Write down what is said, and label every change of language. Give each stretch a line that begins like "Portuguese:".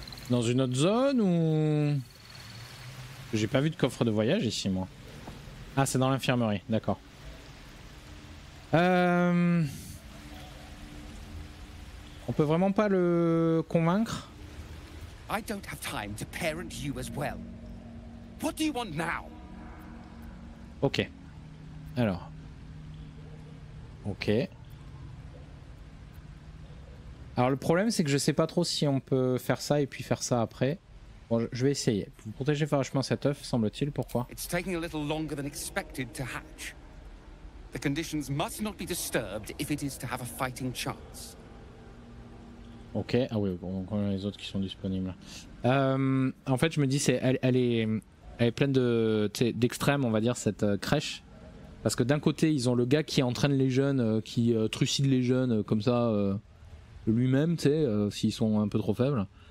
French: Dans une autre zone ou... J'ai pas vu de coffre de voyage ici, moi. Ah, c'est dans l'infirmerie, d'accord. On peut vraiment pas le convaincre.
English: I don't have time to parent you as well. What do you want now?
French: Ok. Alors. Ok. Alors le problème c'est que je sais pas trop si on peut faire ça et puis faire ça après. Bon, je vais essayer. Vous protégez farouchement cet œuf, semble-t-il, pourquoi?
English: It's taking a little longer than expected to hatch. The conditions must not be disturbed if it is to have a fighting chance.
French: Ok, ah oui, bon, on a les autres qui sont disponibles. En fait, je me dis, elle est pleine d'extrêmes, on va dire, cette crèche. Parce que d'un côté, ils ont le gars qui entraîne les jeunes, qui trucide les jeunes comme ça, lui-même, tu sais, s'ils sont un peu trop faibles.